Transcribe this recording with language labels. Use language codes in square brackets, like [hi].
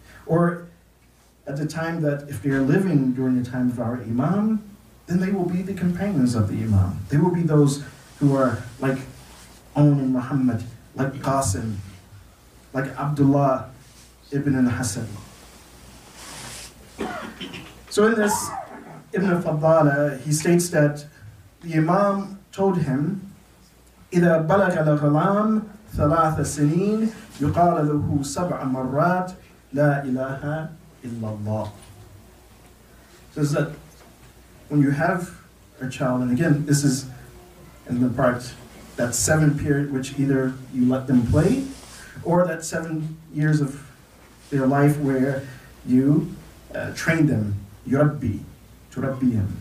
[en] Or at the time that if they are living during the time of our imam, then they will be the companions of the imam. They will be those who are like Aun and Muhammad, like Qasim, like Abdullah ibn al-Hasan. So in this, Ibn al-Fadala, he states that the imam told him, [ar] إِذَا بَلَغَ الْغَلَامِ ثَلَاثَ سِنِينَ يُقَالَ لَهُ سَبْعَ مَرَّاتِ لَا إِلَهَ إِلَّا اللَّهِ. [en] So it's that when you have a child, and again, this is in the part, that 7 period which either you let them play, or that 7 years of their life where you train them, [ar] يُرَبِّي, تُرَبِّيهِمْ.